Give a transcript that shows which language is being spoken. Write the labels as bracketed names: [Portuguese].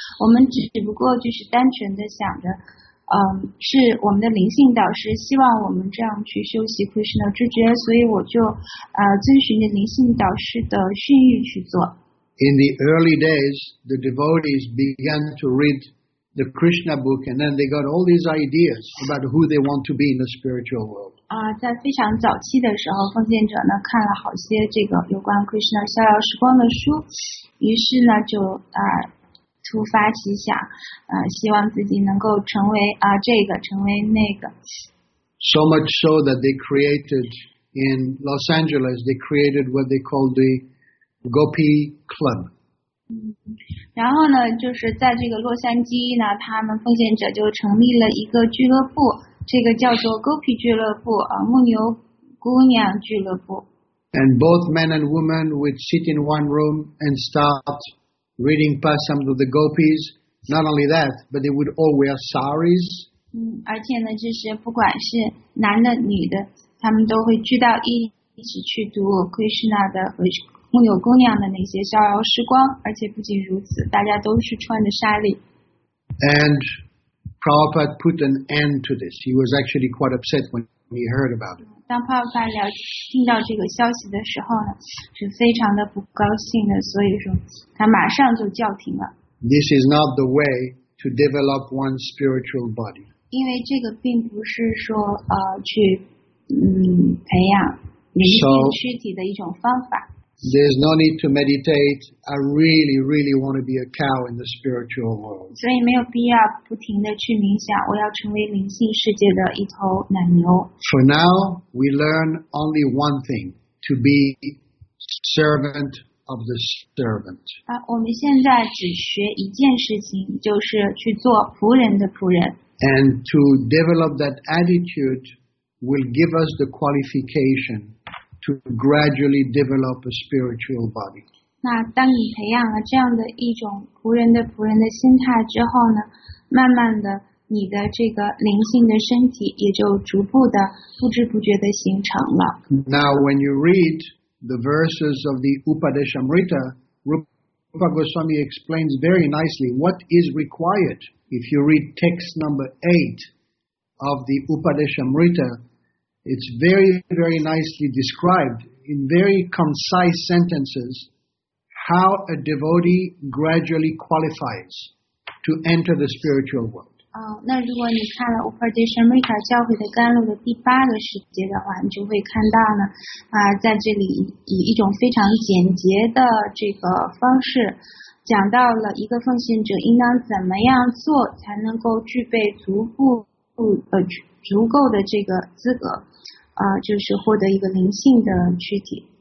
[Chinese] 我们只不过就是单纯的想着，是我们的灵性导师希望我们这样去修习 Krishna 知觉，所以我就遵循着灵性导师的训谕去做。 [English] In the early days, the devotees began to read. The Krishna book, and then they got all these ideas about who they want to be in the spiritual world. [Chinese] 在非常早期的时候，奉献者呢看了好些这个有关 Krishna 逍遥时光的书，于是呢就突发奇想，希望自己能够成为这个，成为那个。 [English] So much so that they created in Los Angeles, they created what they called the Gopi Club. [Chinese] 然后呢就是在这个洛杉矶呢，他们奉献者就成立了一个俱乐部，这个叫做 Gopi 俱乐部，牧牛姑娘俱乐部。 [English] And both men and women would sit in one room and start reading past some of the Gopis. Not only that, but they would all wear saris. [Chinese] 而且呢就是不管是男的女的，他们都会聚到一起去读 Krishna 的牧牛姑娘的那些逍遥时光，而且不仅如此，大家都是穿的纱丽。 [English] And Prabhupada put an end to this. He was actually quite upset when he heard about it. [Chinese] 当 Prabhupada 听到这个消息的时候呢，是非常的不高兴的，所以说他马上就叫停了。 [English] This is not the way to develop one's spiritual body. [Chinese] 因为这个并不是说去培养灵性躯体的一种方法。 [English] There's no need to meditate. I really, really want to be a cow in the spiritual world. [Chinese] 所以没有必要不停地去冥想，我要成为灵性世界的一头奶牛。 [English] For now, we learn only one thing: to be servant of the servant. [Chinese] 啊，我们现在只学一件事情，就是去做仆人的仆人。 [English] And to develop that attitude will give us the qualification. To gradually develop a spiritual body. [Chinese] 那当你培养了这样的一种仆人的仆人的心态之后呢，慢慢的，你的这个灵性的身体也就逐步的不知不觉的形成了。 [English] Now, when you read the verses of the Upadeshamrita, Rupa Goswami explains very nicely what is required. If you read text number 8 of the Upadeshamrita. It's very, very nicely described in very concise sentences how a devotee gradually qualifies to enter the spiritual world. [Chinese] 那如果你看了 Upadeshamrita 教诲的甘露的第八个时节的话，你就会看到呢，在这里以一种非常简洁的这个方式，讲到了一个奉献者应当怎么样做才能够具备足够的这个资格，就是获得一个灵性的躯体。